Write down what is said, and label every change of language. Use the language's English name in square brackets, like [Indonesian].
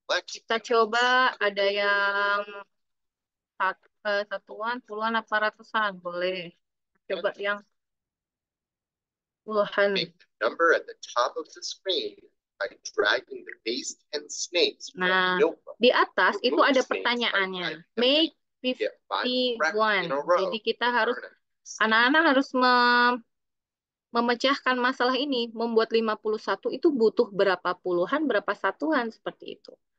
[Indonesian] Kita coba ada yang satuan, puluhan, apa ratusan. Boleh. Coba yang puluhan. [English] Number at the top of the screen by dragging the base 10 snakes from [Indonesian] nah, [English] the notebook. [Indonesian] di atas itu ada pertanyaannya. [English] Make 51. [Indonesian] Jadi kita harus, anak-anak harus memecahkan masalah ini. Membuat 51 itu butuh berapa puluhan, berapa satuan, seperti itu.